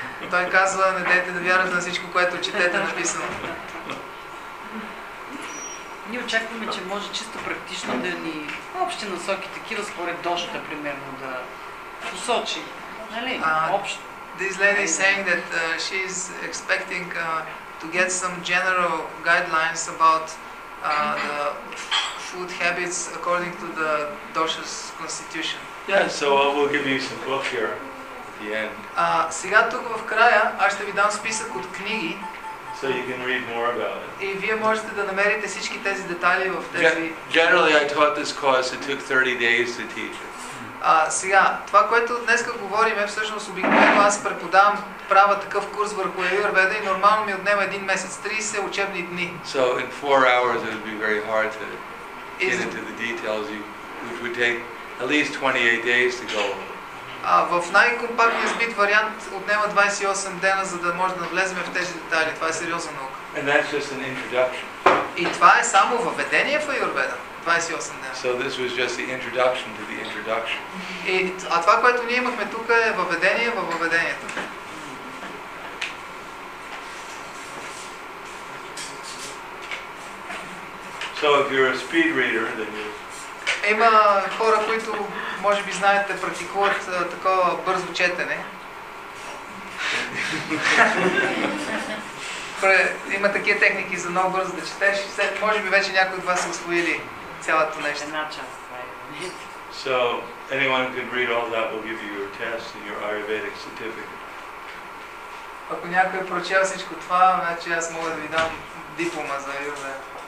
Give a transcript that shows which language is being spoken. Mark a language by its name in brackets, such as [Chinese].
[Bulgarian] Той казва, не дайте да вярвате на всичко, което четете написано. Ние очакваме, че може чисто практично да ни общи насоки, такива според дошата примерно да посочи. Нали? [English] This lady is saying that she is expecting to get some general guidelines about the food habits according to the dosha's constitution. Yeah, so I will give you some book here at the end. [Bulgarian] Сега тук в края аз ще ви дам списък от книги. [English] So you can read more about it. [Bulgarian] И вие можете да намерите всички тези детайли в тези. [English] Generally I taught this course, it took 30 days to teach it. [Bulgarian] Сега, това, което днес говорим, е всъщност обикновено аз преподавам, правя такъв курс върху аюрведа и нормално ми отнема един месец, 30 учебни дни. [English] So in 4 hours it would be very hard to get into the details, which would take at least 28 days to go. [Bulgarian] В най-компактния сбит вариант отнема 28 дена, за да може да влезем в тези детайли. Това е сериозна наука. [English] And that's just an introduction. [Bulgarian] И това е само въведение в аюрведа. 28 дена. [English] So this was just the introduction to the introduction. [Bulgarian] А това, което ние имахме тук, е въведение във въведението. [English] So if you're a speed reader, then you. [Bulgarian] Има хора, които може би знаете, практикуват такова бързо четене. Има такива техники за много бързо да четеш. Може би вече някои от вас са усвоили цялото нещо. Една част. [English] So anyone who can read all that will give you your test and your Ayurvedic certificate. [Bulgarian] Ако някой е прочел всичко това, значи аз мога да ви дам диплома за Ayurveda.